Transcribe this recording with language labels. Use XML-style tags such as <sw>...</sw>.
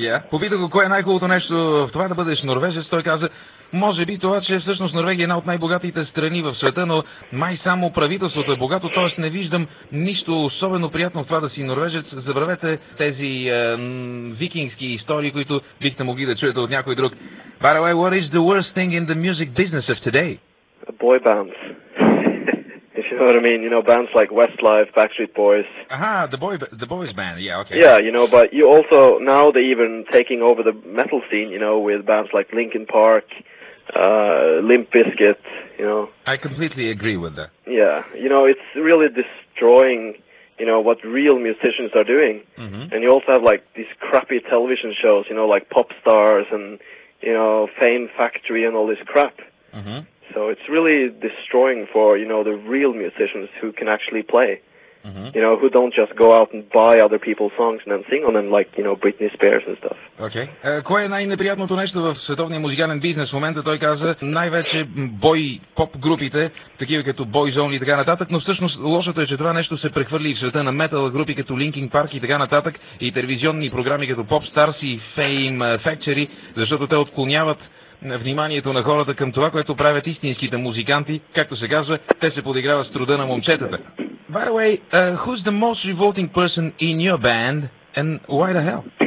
<bg>Попитах го, кое е най-хубавото нещо в това да бъдеш норвежец. Той каза, може би това, че всъщност Норвегия е една от най-богатите страни в света, но май само правителството е богато, т.е. не виждам нищо особено приятно в това да си норвежец. Забравете тези викингски истории, които бихте могли да чуете от някой друг.</bg> <en>By the way, what is the worst thing in the music business of today? Boy bands. If you know what I mean, you know, bands like Westlife, Backstreet Boys. Aha, the boys band, yeah, okay. Yeah, you know, but you also, now they're even taking over the metal scene, you know, with bands like Linkin Park, Limp Bizkit, you know. I completely agree with that. Yeah, you know, it's really destroying, you know, what real musicians are doing. Mm-hmm. And you also have, like, these crappy television shows, you know, like Pop Stars and, you know, Fame Factory and all this crap. Mm-hmm. So it's really destroying for, you know, the real musicians who can actually play. you know, who don't just go out and buy other people's songs and then sing on them, like, you know, Britney Spears and stuff. Okay.</en> <bg>Кое е най-неприятното нещо в световния музикален бизнес в момента? Той каза, най-вече бой поп групите, такива като Boyzone и така нататък, но всъщност лошото е, че това нещо се прехвърли в света на метал групи като Linkin Park и така нататък, и телевизионни програми като Pop Stars и Fame Factory, защото те отклоняват вниманието на хората към това, което правят истинските музиканти. Както се казва, те се подиграват с труда на момчетата.</bg> <en>By the way, who's the most revolting person in your band and why the hell?</en>